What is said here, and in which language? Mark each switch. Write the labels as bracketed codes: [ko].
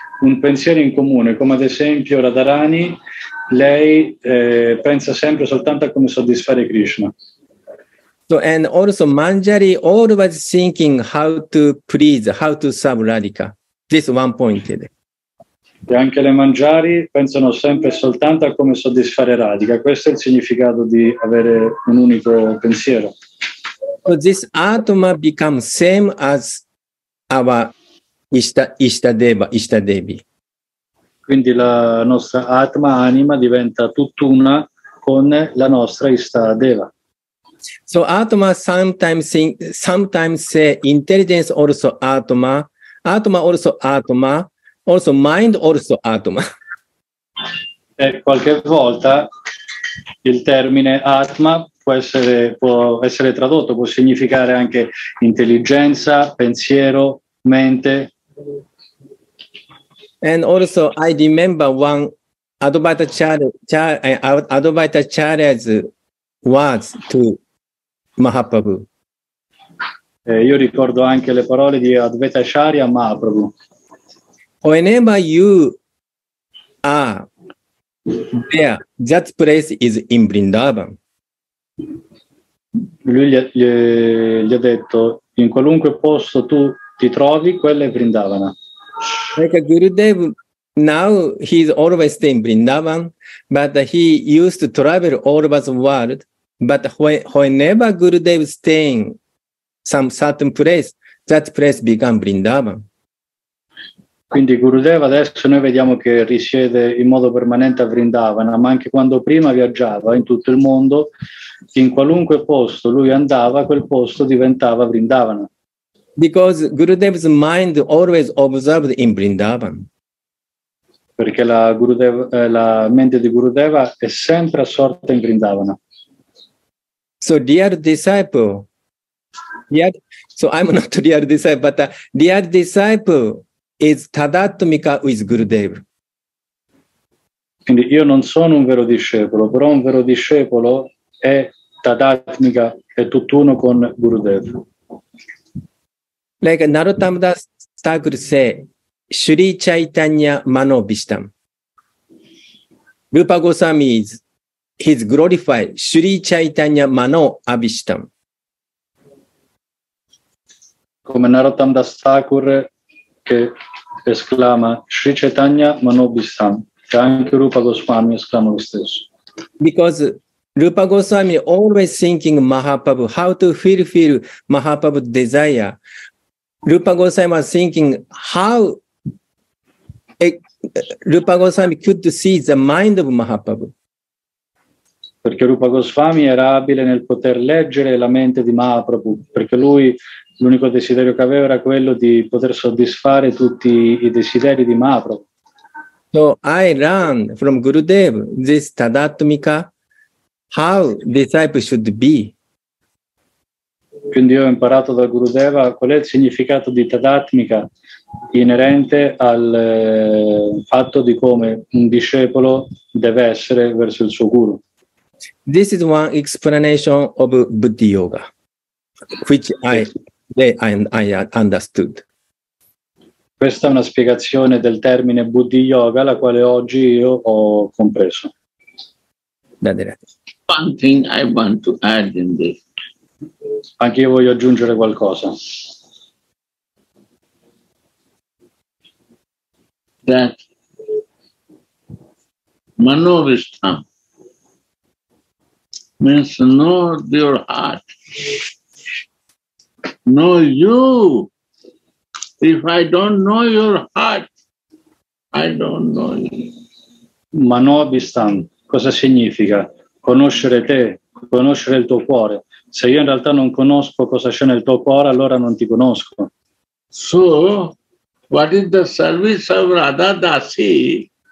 [it] un pensiero in comune, come ad esempio Radharani, lei pensa sempre soltanto a come soddisfare Krishna. [en] So, and also Manjari always thinking how to please, how to serve Radhika. This one point. [it] E anche le Manjari pensano sempre soltanto a come soddisfare Radhika. Questo è il significato di avere un unico pensiero. [en] So this Atma become same as our Ishtadeva, Ishtadevi. [it] Quindi la nostra Atma, anima, diventa tutt'una con la nostra Ishtadeva. [en] So Atma sometimes say intelligence also Atma, Atma also Atma, also mind also Atma. [it] E qualche volta il termine Atma può essere tradotto, può significare anche intelligenza, pensiero, mente. [en] And also I remember one Advaita Charya's words to Mahaprabhu. [it] Io ricordo anche le parole di Advaita Charya Mahaprabhu. [en] Whenever you are there, that place is in Vrindavan. [it] Lui gli ha detto, in qualunque posto tu ti trovi, quello è Vrindavana. [en] Like Gurudev, now he's always staying in Vrindavan, but he used to travel all over the world. But whenever Gurudev staying some certain place, that place become Vrindavan. [it] Quindi Gurudev adesso noi vediamo che risiede in modo permanente a Vrindavana, ma anche quando prima viaggiava in tutto il mondo, in qualunque posto lui andava, quel posto diventava Vrindavana. [en] Because Gurudev's mind always observed in Vrindavan. [it] Perché la mente di Gurudev è sempre assorta in Vrindavana. [en] So dear disciple, I'm not dear disciple, but dear disciple is tadatmika with Gurudev. [it] Quindi io non sono un vero discepolo, però un vero discepolo è tadatmika, è tutt'uno con Gurudev. [en] Like Narottam Das Thakur say, Shri Chaitanya Manobhishtam. Rupa Goswami is his glorified Shri Chaitanya Manobhishtam. [it] Come Narottam Das Thakur che esclama Shri Chaitanya Manobhishtam, che anche Rupa Goswami esclama lo stesso. [en] Because Rupa Goswami always thinking Mahaprabhu, how to fulfill Mahaprabhu's desire. Rupa Goswami was thinking how Rupa Goswami could see the mind of Mahaprabhu. [it] Perché Rupa Goswami era abile nel poter leggere la mente di Mahaprabhu, perché lui l'unico desiderio che aveva era quello di poter soddisfare tutti i desideri di Mahaprabhu. [en] So I learned from Gurudev this tadatmika, how disciple should be. [it] Quindi ho imparato da Gurudeva qual è il significato di tadatmika inerente al fatto di come un discepolo deve essere verso il suo guru. [en] This is one explanation of Buddha Yoga, which I understood. [it] Questa è una spiegazione del termine Buddha Yoga, la quale oggi io ho compreso. [en] One thing I want to add in this. [it] Anche io voglio aggiungere qualcosa. [en] That Manobhishtam means know your heart. Know you. If I don't know your heart, I don't know you. [it] Manobhishtam, cosa significa? Conoscere te, conoscere il tuo cuore. Se io in realtà non conosco cosa c'è nel tuo cuore, allora non ti conosco. [en] So, what is the service of Radha Dasi?